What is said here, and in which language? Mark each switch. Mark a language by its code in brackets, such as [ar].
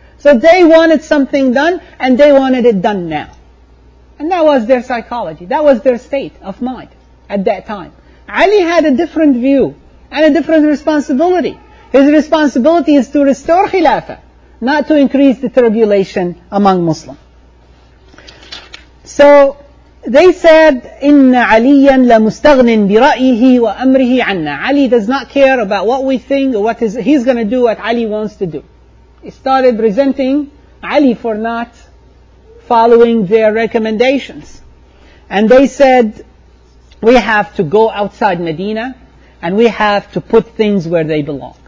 [en] So they wanted something done, and they wanted it done now. And that was their psychology. That was their state of mind at that time. Ali had a different view and a different responsibility. His responsibility is to restore Khilafah, not to increase the tribulation among Muslims. So they said, [ar] إِنَّ عَلِيًّا لَمُسْتَغْنٍ بِرَأِيهِ وَأَمْرِهِ عَنَّا. [en] Ali does not care about what we think, or what he's going to do what Ali wants to do. He started resenting Ali for not following their recommendations. And they said, we have to go outside Medina and we have to put things where they belong.